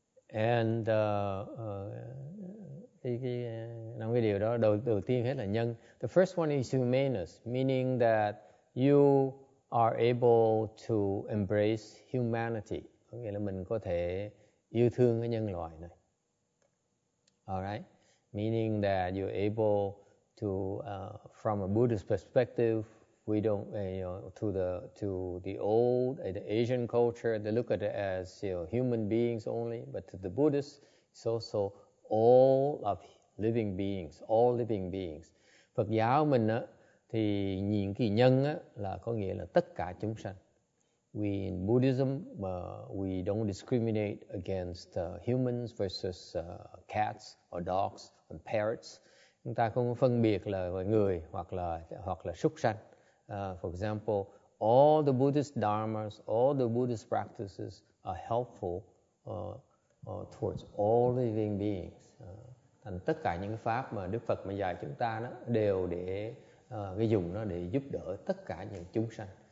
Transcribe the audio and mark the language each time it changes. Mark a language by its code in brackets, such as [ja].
[en] The first one is humaneness, meaning that you are able to embrace humanity. [vi] Nghĩa là mình có thể yêu thương cái nhân loại này. [en] All right? Meaning that you're able to, from a Buddhist perspective, we don't, you know, to the old, the Asian culture, they look at it as, you know, human beings only, but to the Buddhists, it's also all of living beings, all living beings. [vi] Phật giáo mình á, thì nhìn cái nhân á, là có nghĩa là tất cả chúng sanh. [en] We in Buddhism, we don't discriminate against humans versus cats or dogs and parrots. [vi] Chúng ta không phân biệt là người hoặc là súc sanh. [en] For example, all the Buddhist dharmas, all the Buddhist practices are helpful towards all living beings. [vi] Thành tất cả những pháp mà Đức Phật mà dạy chúng ta đó đều để cái dùng nó để giúp đỡ tất cả những chúng sanh.